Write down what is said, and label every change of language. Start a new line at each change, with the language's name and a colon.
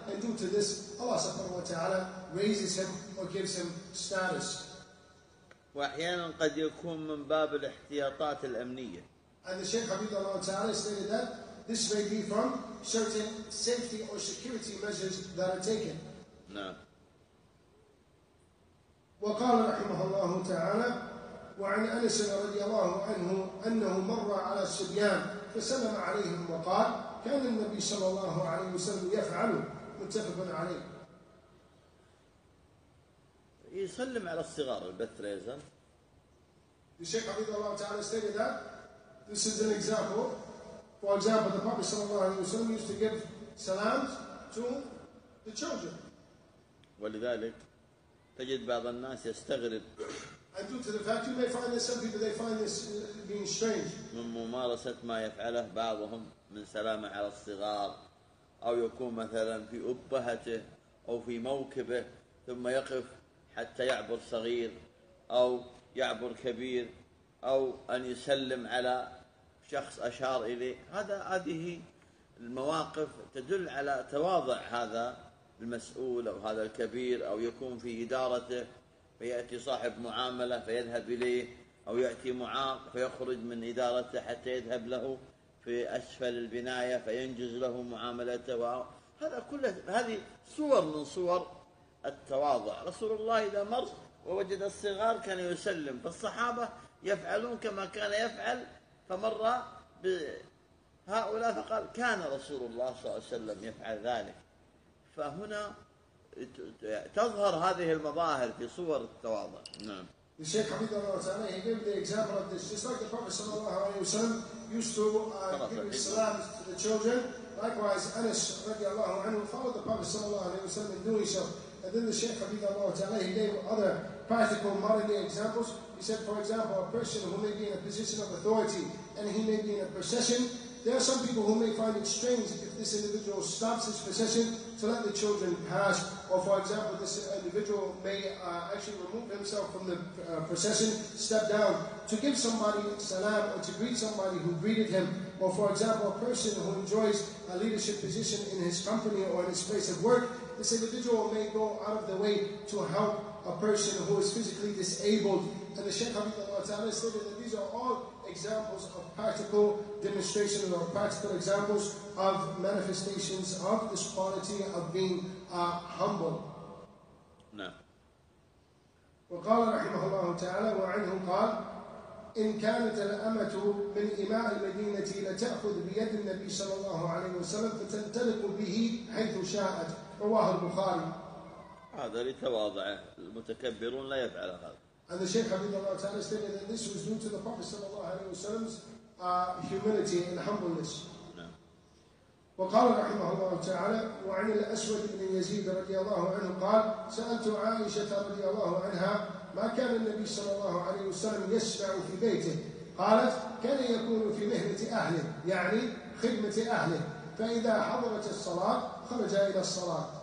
English: And due to this, Allah subhanahu wa ta'ala raises him or gives him status.
Arabic: وَأَحْيَانًا قَدْ يَكُون مِنْ بَابِ الْإِحْتِيَاطَاتِ الْأَمْنِيَّةِ.
English: And the Shaykh Hafidhullah Ta'ala stated that this may be from certain safety or security measures that are taken. No.
Arabic: وقال رحمه الله تعالى وعن أنس رضي الله عنه أنه مر على الصبيان فسلم عليهم وقال كان النبي صلى الله عليه وسلم يفعل. متفق عليه. يسلم على الصغار البثريزة.
English: The Shaykh Hafidhullah Ta'ala stated that this is an example. For example, the Prophet sallallahu alayhi wa sallam used to give salams to the children.
Arabic: ولذلك تجد بعض الناس يستغرب.
English: And due to the fact, you may find that some people they find this being strange.
Arabic: من ممارسة ما يفعله بعضهم من سلامة على الصغار أو يكون مثلاً في أبهته أو في موكبه ثم يقف حتى يعبر صغير أو يعبر كبير أو أن يسلم على شخص أشار إليه. هذه المواقف تدل على تواضع هذا المسؤول أو هذا الكبير أو يكون في إدارته فيأتي صاحب معاملة فيذهب إليه أو يأتي معاق فيخرج من إدارته حتى يذهب له في أسفل البناية فينجز له معاملته. هذا كله هذه صور من صور التواضع. رسول الله إذا مر ووجد الصغار كان يسلم، فالصحابة يفعلون كما كان يفعل، فمر بهؤلاء فقال كان رسول الله صلى الله عليه وسلم يفعل ذلك. فهنا تظهر هذه المظاهر في صور التواضع. نعم.
English: الشيخ حفظ الله تعالى he gave the example of this just like the Prophet صلى الله عليه وسلم used to give salam to the children. Likewise Anas رضي الله عنه followed the Prophet صلى الله عليه وسلم in doing so. And then the Shaykh حفظ الله تعالى he gave other practical modern day examples. He said for example a person who may be in a position of authority and he may be in a procession. There are some people who may find it strange if this individual stops his procession to let the children pass. Or for example, this individual may actually remove himself from the procession, step down to give somebody salam or to greet somebody who greeted him. Or for example, a person who enjoys a leadership position in his company or in his place of work, this individual may go out of the way to help a person who is physically disabled. And the Shaykh Hafidhullah Ta'ala stated that these are all examples of practical demonstrations or practical examples of manifestations of this quality of being humble. No.
Arabic: وقال رحمه الله تعالى وعنه قال إن كانت الأمة من إماء المدينة لتأخذ بيد النبي صلى الله عليه وسلم فتنطلق به حيث شاءت. رواه البخاري. هذا لتواضعه، المتكبرون لا يفعل هذا.
English: And the Shaykh Hafidhullah Ta'ala stated that this was due to the Prophet sallallahu alayhi wa sallam's humility and humbleness.
Arabic: وقال رحمه الله تعالى وعن الأسود بن يزيد رضي الله عنه قال سألت عائشة رضي الله عنها ما كان النبي صلى الله عليه وسلم يسمع في بيته. قالت كان يكون في مهنة أهله، يعني خدمة أهله، فإذا حضرت الصلاة خرج إلى الصلاة.